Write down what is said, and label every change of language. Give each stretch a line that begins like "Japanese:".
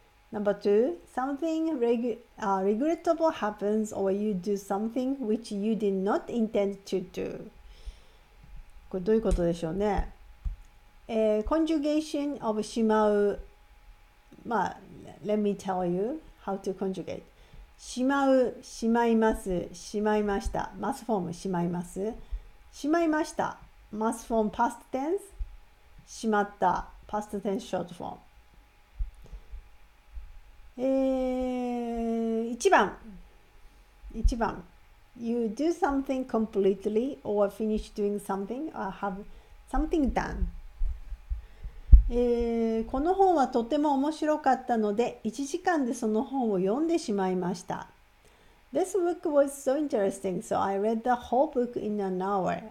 English: Number two, something regrettable happens or you do something which you did not intend to do.
Japanese: これどういうことでしょうね。コンジュゲーションオブしまう。
English: まあ、Let me tell you how to conjugate.
Japanese: しまう、しまいます、しまいました。マスフォーム、しまいます。しまいました。マスフォーム、パストテンス。しまった。パストテンス、ショートフォーム。
English: 1番。You do something completely or finish doing something or have something done.
Japanese: この本はとても面白かったので、1時間でその本を読んでしまいました。
English: This book was so interesting, so I read the whole book in an hour.